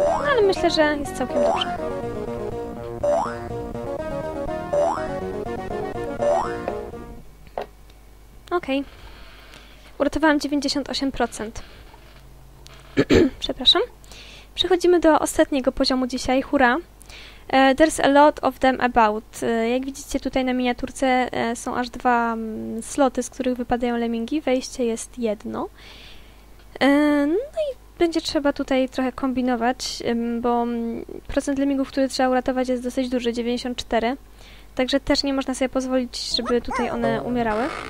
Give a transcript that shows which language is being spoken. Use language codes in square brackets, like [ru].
[pl] Ale myślę, że jest całkiem dobrze. Okej. Okay. Uratowałam 98%. Przepraszam. Przechodzimy do ostatniego poziomu dzisiaj. Hurra. [en] There's a lot of them about. [pl] Jak widzicie, tutaj na miniaturce są aż dwa sloty, z których wypadają lemmingi. Wejście jest jedno. No i będzie trzeba tutaj trochę kombinować, bo procent lemmingów, które trzeba uratować, jest dosyć duży, 94. Także też nie można sobie pozwolić, żeby tutaj one umierały.